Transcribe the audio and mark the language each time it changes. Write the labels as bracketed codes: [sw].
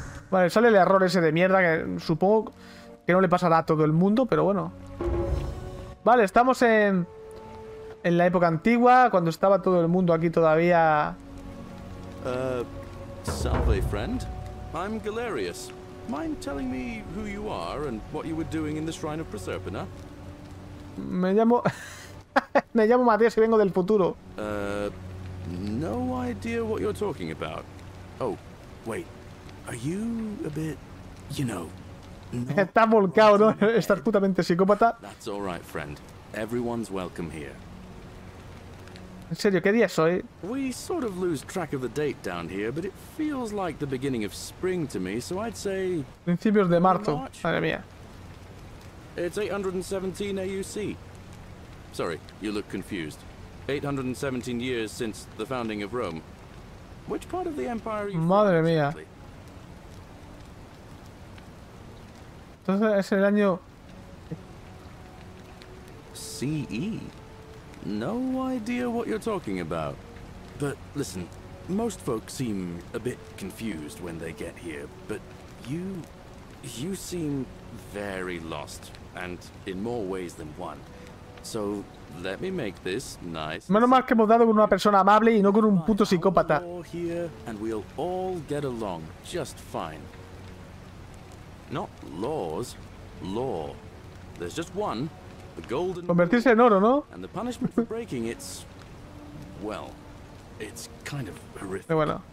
[es] Vale, sale el error ese de mierda que supongo que no le pasará a todo el mundo, pero bueno. Vale, estamos en la época antigua, cuando estaba todo el mundo aquí todavía. [en] Salve, friend. I'm Galerius. Mind telling me who you are and what you were doing in the Shrine of Proserpina? [es] Me llamo me llamo Matías y vengo del futuro. [en] No idea what you're talking about. Oh, wait. Are you a bit, you know, [es] está volcado, ¿no? Estás putamente psicópata. [en] That's all right, friend. Everyone's welcome here. [es] ¿En serio? ¿Qué día es hoy? [en] We sort of lose track of the date down here, but it feels like the beginning of spring to me, so I'd say [es] principios de marzo. Madre mía. [en] It's 817 AUC. Sorry, you look confused. 817 years since the founding of Rome. Which part of the empire are you? [es] Madre mía. Entonces es el año [en] CE. No idea what you're talking about. But listen, most folks seem a bit confused when they get here, but you seem very lost and in more ways than one. So let me make this nice. [es] Menos mal que hemos dado con una persona amable y no con un puto psicópata. [en] And we'll all get along just fine. Not laws, law. There's just one, the golden. [es] Convertirse en oro, ¿no? [en] And the punishment for breaking it's, well, it's kind of horrific. [es] Bueno.